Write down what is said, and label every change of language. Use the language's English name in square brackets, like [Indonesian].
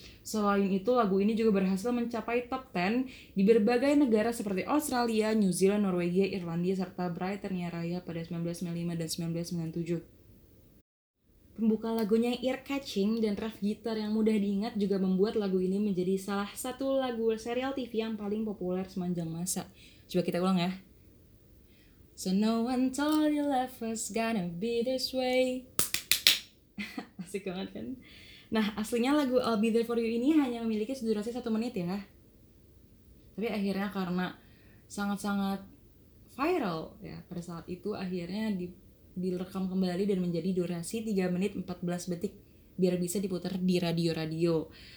[Indonesian] Selain itu, lagu ini juga berhasil mencapai top 10 di berbagai negara seperti Australia, New Zealand, Norwegia, Irlandia, serta Britania Raya pada 1995 dan 1997. Pembuka lagunya yang ear-catching dan riff gitar yang mudah diingat juga membuat lagu ini menjadi salah satu lagu serial TV yang paling populer sepanjang masa. Coba kita ulang ya. [English] So no one told you life was gonna be this way. [Indonesian] Asik banget kan? Nah, aslinya lagu I'll Be There For You ini hanya memiliki durasi 1 menit ya. Tapi akhirnya karena sangat-sangat viral ya pada saat itu, akhirnya direkam kembali dan menjadi durasi 3 menit 14 detik biar bisa diputar di radio-radio.